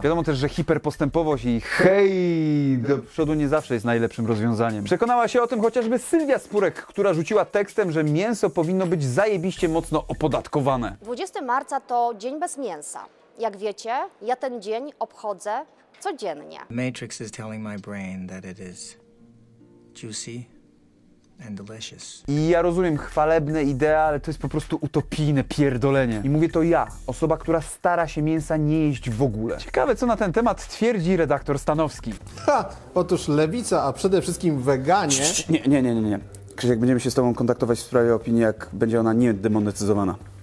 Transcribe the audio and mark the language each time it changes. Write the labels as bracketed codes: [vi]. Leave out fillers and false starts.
[pl] Wiadomo też, że hiperpostępowość i hej do przodu nie zawsze jest najlepszym rozwiązaniem. Przekonała się o tym chociażby Sylwia Spurek, która rzuciła tekstem, że mięso powinno być zajebiście mocno opodatkowane. 20 marca to dzień bez mięsa. Jak wiecie, ja ten dzień obchodzę codziennie. [en] Matrix is telling my brain that it is juicy. And delicious. [pl] I ja rozumiem chwalebne idee, ale to jest po prostu utopijne pierdolenie. I mówię to ja, osoba, która stara się mięsa nie jeść w ogóle. Ciekawe, co na ten temat twierdzi redaktor Stanowski. Ha! Otóż lewica, a przede wszystkim weganie... Nie. Krzysiek, będziemy się z tobą kontaktować w sprawie opinii, jak będzie ona niedemonetyzowana.